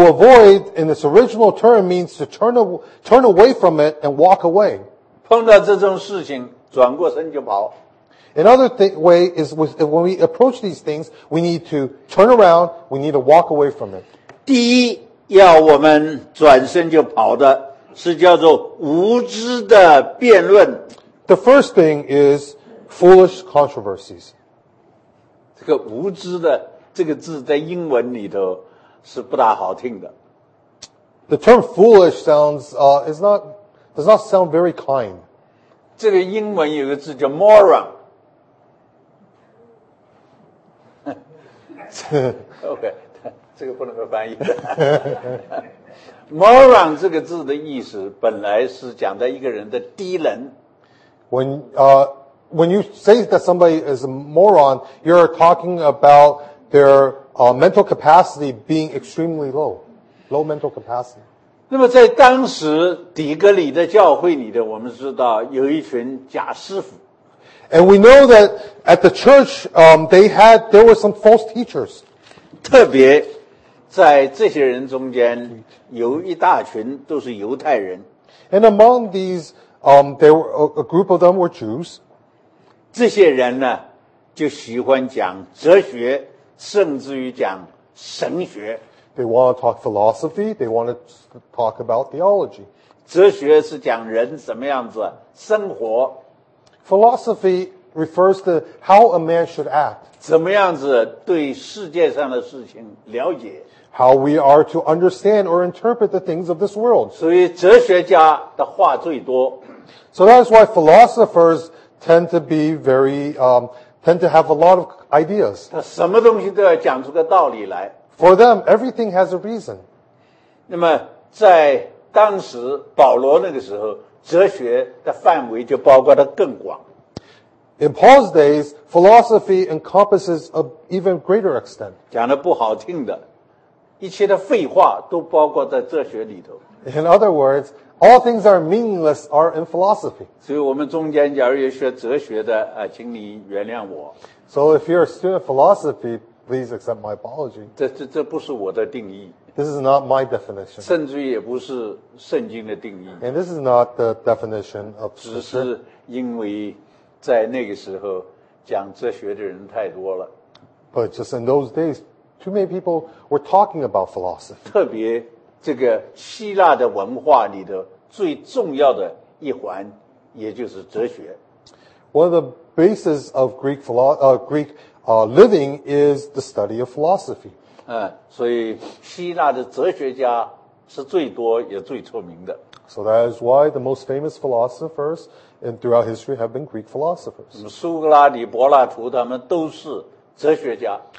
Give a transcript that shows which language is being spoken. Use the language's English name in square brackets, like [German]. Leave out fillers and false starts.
[English] avoid in its original term means to turn away from it and walk away. [Chinese] 碰到这种事情转过身就跑。 [English] In other way is when we approach these things, we need to turn around, we need to walk away from it. [Chinese] 第一要我们转身就跑的 是叫做无知的辩论。 [English] The first thing is foolish controversies. [Chinese] 这个无知的这个字在英文里头是不大好听的。 [English] The term foolish sounds, does not sound very kind. [Chinese] 这个英文有个字叫 moron。 OK， 这个不能够翻译。moron 这个字的意思本来是讲的一个人的低能。 [English] When you say that somebody is a moron, you're talking about their mental capacity being extremely low, low mental capacity. [Chinese] 那么在当时底格里的教会里的，我们知道有一群假师傅。 [English] And we know that at the church, there were some false teachers. [Chinese] 特别在这些人中间，有一大群都是犹太人。 [English] And among these, a group of them were Jews. [Chinese] 这些人呢，就喜欢讲哲学，甚至于讲神学。 [English] They want to talk philosophy. They want to talk about theology. [Chinese] 哲学是讲人怎么样子生活。 [English] Philosophy refers to how a man should act. [Chinese] 怎么样子对世界上的事情了解。 [English] How we are to understand or interpret the things of this world. [Chinese] 所以哲学家的话最多。 [English] So that is why philosophers. tend to have a lot of ideas. [Chinese] 他什么东西都要讲出个道理来。 [English] For them, everything has a reason. [Chinese] 那么在当时保罗那个时候，哲学的范围就包括的更广。 [English] In Paul's days, philosophy encompasses an even greater extent. [Chinese] 讲的不好听的，一切的废话都包括在哲学里头。 [English] In other words,All things are meaningless are in philosophy. [Chinese] 所以我们中间假如有学哲学的、请你原谅我。 [English] So if you're a student of philosophy, please accept my apology. [Chinese] 这不是我的定义。 [English] This is not my definition. [Chinese] 甚至也不是圣经的定义。 [English] And this is not the definition of scripture. [Chinese] 只是因为在那个时候讲哲学的人太多了。 [English] But just in those days, too many people were talking about philosophy. [Chinese] 特别这个希腊的文化里的最重要的一环，也就是哲学。 [English] One of the bases of Greek living is the study of philosophy. [Chinese] 所以希腊的哲学家是最多也最出名的。 [English] So that is why the most famous philosophers throughout history have been Greek philosophers. [Chinese] 苏格拉底、柏拉图他们都是哲学家。